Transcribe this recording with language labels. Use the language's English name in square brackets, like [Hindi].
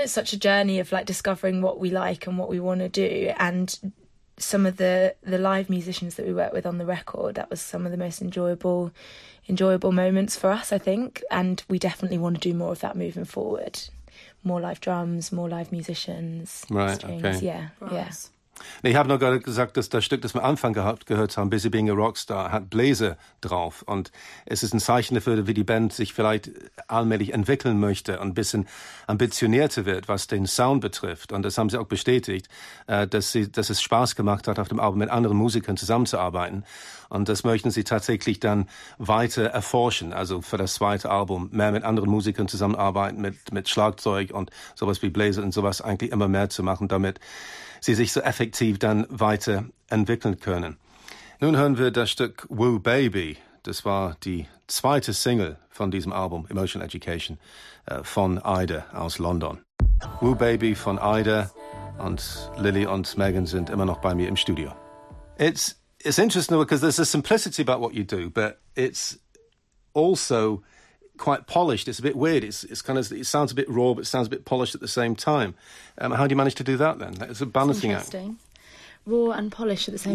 [English] It's such a journey of like discovering what we like and what we want to do, and some of the live musicians that we work with on the record, that was some of the most enjoyable moments for us, I think. And we definitely want to do more of that moving forward. More live drums, more live musicians, right, strings. Okay. Yeah, right. Yeah. [German] Ich habe noch gesagt, dass das Stück, das wir am Anfang gehört haben, Busy Being a Rockstar, hat Bläser drauf. Und es ist ein Zeichen dafür, wie die Band sich vielleicht allmählich entwickeln möchte und ein bisschen ambitionierter wird, was den Sound betrifft. Und das haben sie auch bestätigt, dass es Spaß gemacht hat, auf dem Album mit anderen Musikern zusammenzuarbeiten. Und das möchten sie tatsächlich dann weiter erforschen, also für das zweite Album mehr mit anderen Musikern zusammenarbeiten, mit Schlagzeug und sowas wie Bläser und sowas eigentlich immer mehr zu machen, damit sie sich so effektiv dann weiterentwickeln können. Nun hören wir das Stück Woo Baby. Das war die zweite Single von diesem Album, Emotional Education, von Ida aus London. Woo Baby von Ida, und Lily und Megan sind immer noch bei mir im Studio. [English] It's interesting because there's a simplicity about what you do, but it's also quite polished. It's a bit weird. It's kind of, it sounds a bit raw, but it sounds a bit polished at the same time. How do you manage to do that then? It's a balancing act. Interesting. Raw and polished at the same